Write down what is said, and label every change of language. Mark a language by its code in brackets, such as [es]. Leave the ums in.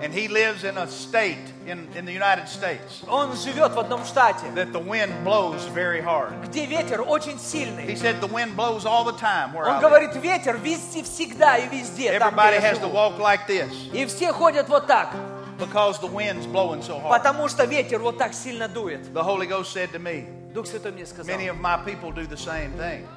[en] And he lives in a state in, in the United States. [ru] Он живет в одном штате. [en] That the wind blows very hard. [ru] Где ветер очень сильный. [en] He said the wind blows all the time [ru] Он говорит, ветер везде, всегда и везде. [en] Everybody has to walk like this. [ru] И все ходят вот так. [en] Because the wind's blowing so hard. [ru] Потому что ветер вот так сильно дует. [en] The Holy Ghost said to me. Сказал, Many of my people do the same thing.